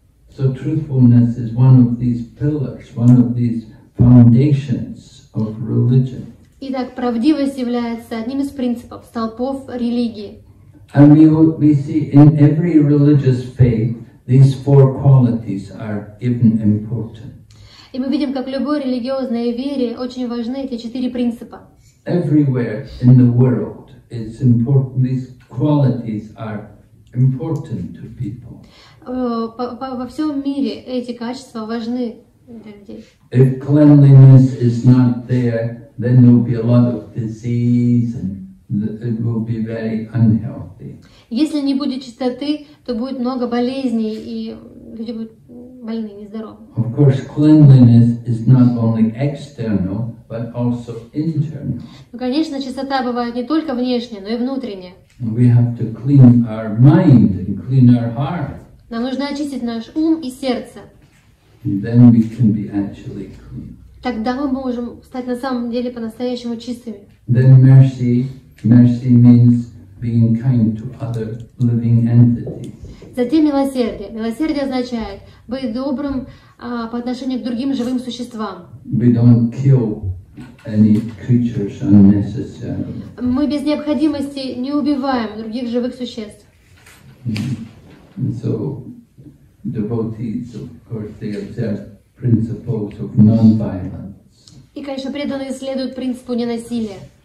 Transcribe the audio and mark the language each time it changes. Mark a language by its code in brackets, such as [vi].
[en] So truthfulness is one of these pillars, one of these foundations of religion. [ru] Итак, правдивость является одним из принципов, столпов религии. [en] And we see in every religious faith these four qualities are given important. [ru] И мы видим, как в любой религиозной вере очень важны эти четыре принципа. [en] Everywhere in the world it's important, these qualities are important to people. [ru] Во всем мире эти качества важны для людей. [en] If cleanliness is not there, then there will be a lot of disease and it will be very unhealthy. [ru] Если не будет чистоты, то будет много болезней и люди будут больны, нездоровы. [en] Of course, cleanliness is not only external, but also internal. [ru] Ну, конечно, чистота бывает не только внешняя, но и внутренняя. [en] We have to clean our mind and clean our heart. [ru] Нам нужно очистить наш ум и сердце. [en] And then we can be actually clean. [ru] Тогда мы можем стать на самом деле по-настоящему чистыми. [en] Then mercy. Mercy means being kind to other living entities. [ru] Затем милосердие. Милосердие означает быть добрым по отношению к другим живым существам. [en] We don't kill any creatures unnecessarily. [ru] Мы без необходимости не убиваем других живых существ. [en] So devotees, of course, they observe principles of non-violence. [ru] И, конечно, преданные следуют принципу ненасилия.